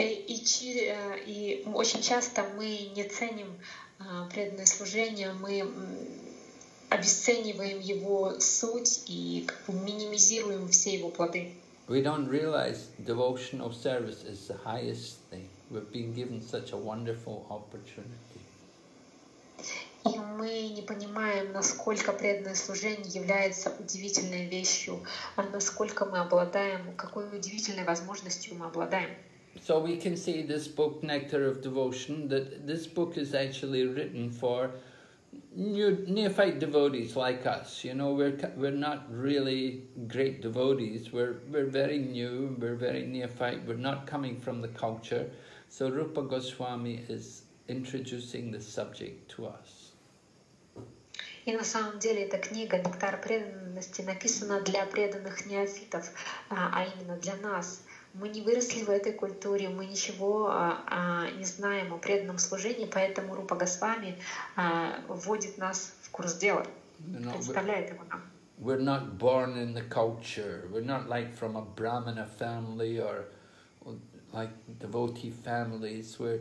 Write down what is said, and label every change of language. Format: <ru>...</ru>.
<ru>И очень часто мы не ценим преданное служение, мы обесцениваем его суть и минимизируем все его плоды.</ru> <en>We don't realize devotional service is the highest thing. We've been given such a wonderful opportunity.</en> <ru>И мы не понимаем, насколько преданное служение является удивительной вещью, а насколько мы обладаем, какой удивительной возможностью мы обладаем.</ru> <en>So we can see this book, Nectar of Devotion, that this book is actually written for new neophyte devotees like us. You know, we're not really great devotees. We're very new, we're very neophyte, we're not coming from the culture. So Rupa Goswami is introducing the subject to us.</en> <ru>И на самом деле эта книга «Нектар преданности» написана для преданных неофитов, а именно для нас. Мы не выросли в этой культуре, мы ничего не знаем о преданном служении, поэтому Рупа Госвами вводит нас в курс дела, представляет его нам.</ru> <en>We're not born in the culture. We're not like from a Brahmana family or like devotee families.</en>